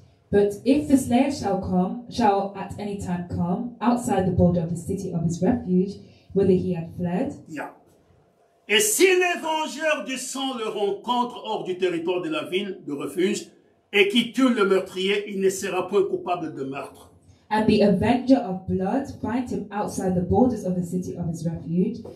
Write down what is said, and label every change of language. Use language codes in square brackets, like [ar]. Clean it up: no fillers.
[en] But if the slayer shall at any time come outside the border of the city of his refuge, whither he had fled... Yeah. [fr] Et si les vengeurs du sang le rencontrent hors du territoire de la ville de refuge... Et qui tue le meurtrier, il ne sera point coupable de meurtre. [en] And the avenger of blood finds him outside the borders of the city of his refuge.